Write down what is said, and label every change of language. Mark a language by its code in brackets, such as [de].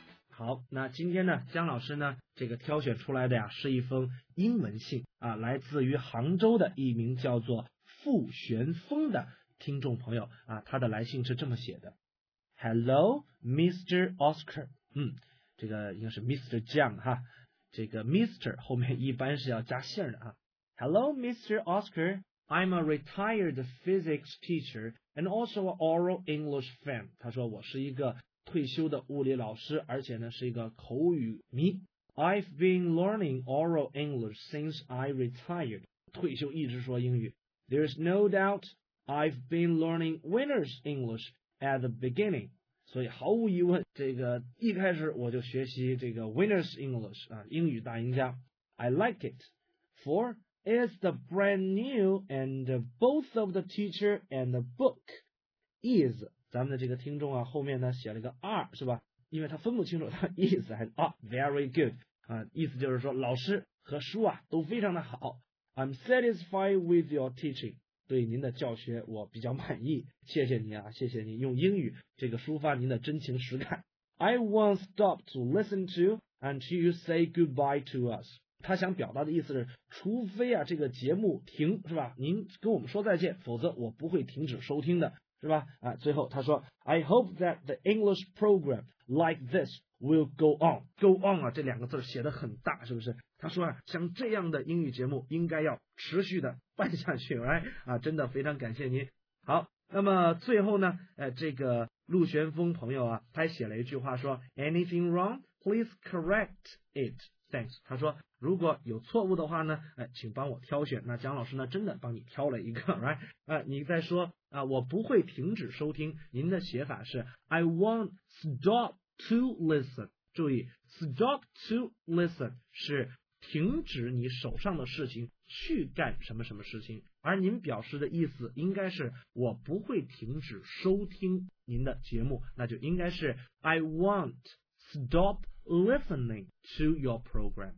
[zh] 好，那今天呢姜老师呢这个挑选出来的呀是一封英文信啊，来自于杭州的一名叫做傅玄峰的听众朋友啊，他的来信是这么写的。 [en] Hello, Mr. Oscar. [zh] 这个应该是 [en] Mr. [zh] 酱哈，这个 Mr. 后面一般是要加姓的啊。 [en] Hello, Mr. Oscar. I'm a retired physics teacher and also an oral English fan. [zh] 他说我是一个退休的物理老师，而且呢是一个口语迷。 [en] I've been learning oral English since I retired. [zh] 退休一直说英语。 [en] There's no doubt I've been learning winner's English. At the beginning, [zh] 所以毫无疑问，这个一开始我就学习这个 Winner's English 啊，英语大赢家。 [en] I like it, for it's the brand new and both of the teacher and the book is [zh] 咱们的这个听众啊，后面呢写了个 [en] are [zh] 是吧？因为他分不清楚他 is 还是 are. [en] Very good [zh] 啊，意思就是说老师和书啊都非常的好。 [en] I'm satisfied with your teaching. [zh] 对您的教学我比较满意，谢谢您啊，谢谢您用英语这个抒发您的真情实感。 [en] I won't stop to listen to until you say goodbye to us. [zh] 他想表达的意思是，除非啊这个节目停是吧，您跟我们说再见，否则我不会停止收听的是吧。啊，最后他说 [en] I hope that the English program like this will go on. Go on [zh] 啊，这两个字写得很大是不是，他说啊像这样的英语节目应该要持续的办下去，哎啊，真的非常感谢您。好，那么最后呢，这个陆玄峰朋友啊，他写了一句话说 ， [en] Anything wrong, please correct it, thanks。 [zh] 他说如果有错误的话呢，请帮我挑选。那姜老师呢，真的帮你挑了一个，哎，你再说啊，我不会停止收听。您的写法是 [en] I won't stop to listen。 [zh] 注意 ， [en] stop to listen [zh] 是停止你手上的事情。去干什么什么事情，而您表示的意思应该是我不会停止收听您的节目，那就应该是 [en] I won't stop listening to your program。